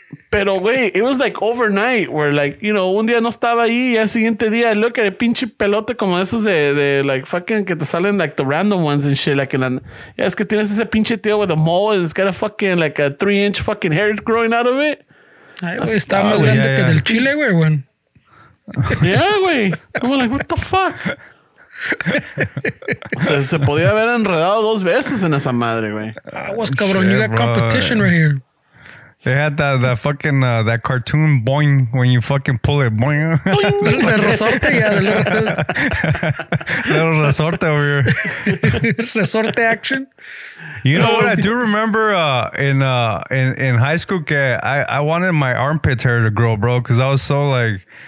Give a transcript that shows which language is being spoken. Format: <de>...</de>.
<es>Pero, güey,</es> <en>it was like overnight where, like, you know,</en> <es>un día no estaba ahí y al siguiente día, look at a pinche pelote como esos de like, fucking, que te salen, like,</es> <en>the random ones and shit. Like, and</en> <es>es que tienes ese pinche tío</es> <en>with a mole and it's got a fucking, like, a 3-inch fucking hair growing out of it.</en> <es>Ay, güey, está más grande que del chile, güey, güey.</es> <en>Yeah, güey. I'm like, what the fuck?</en> <es>se podía haber enredado dos veces en esa madre, güey. Aguas, cabrón.</es> <en>Shit, you got competition right here. They had that fucking that cartoon boing when you fucking pull it boing. Little resorte, yeah. Little resorte over here. Resorte action. You know what? I do remember in high school, I wanted my armpit hair to grow, bro, because I was so like.</en>